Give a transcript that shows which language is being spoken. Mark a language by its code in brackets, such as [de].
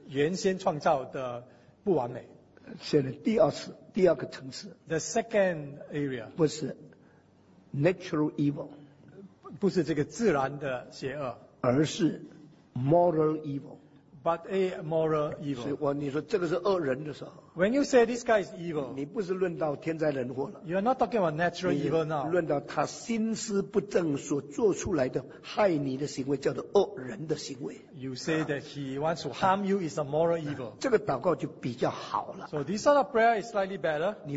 [zh] 不可能，不一定是原先创造的不完美。现在第二次，第二个层次。 [en] The second area. [zh] 不是 [en] natural evil. [zh] 不是这个自然的邪恶。而是 [en] moral evil. But a moral evil. [zh] 所以你说这个是恶人的时候。 [en] When you say this guy is evil, [zh] 你不是论到天灾人祸了。 [en] You are not talking about natural evil now. [zh] 论到他心思不正所做出来的害你的行为叫做恶人的行为。 [en] You say that he wants to harm you is a moral evil. [zh] 这个祷告就比较好了。 [en] So this sort of prayer is slightly better.